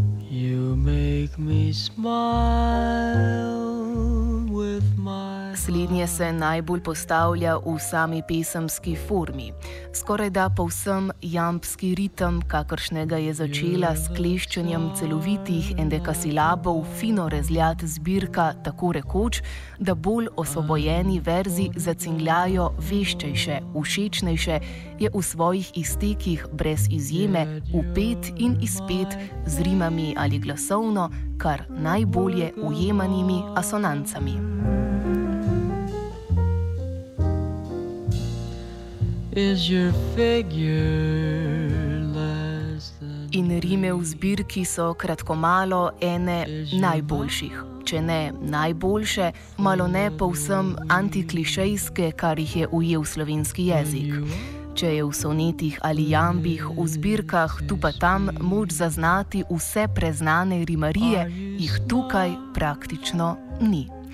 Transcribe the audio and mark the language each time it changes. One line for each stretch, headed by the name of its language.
English: You make me smile with my.
Slovenian: Slednje se najbolj postavlja v sami pesemski formi. Skoraj da povsem jambski ritem, kakršnega je začela s kleščenjem celovitih endekasilabov fino razljat zbirka, tako rekoč, da bolj osvobojeni verzi zacingljajo veščejše, všečnejše, je v svojih iztekih brez izjeme upet in izpet z rimami ali glasovno, kar najbolje ujemanimi asonancami.
English: Is your figure less than.
Slovenian: In rime v zbirki so kratko malo ene najboljših, če ne najboljše, malo ne povsem antiklišejske, kar jih je ujel slovenski jezik. Če je v sonetih ali jambih, v zbirkah, tu pa tam moč zaznati vse preznane rimarije, jih tukaj praktično ni.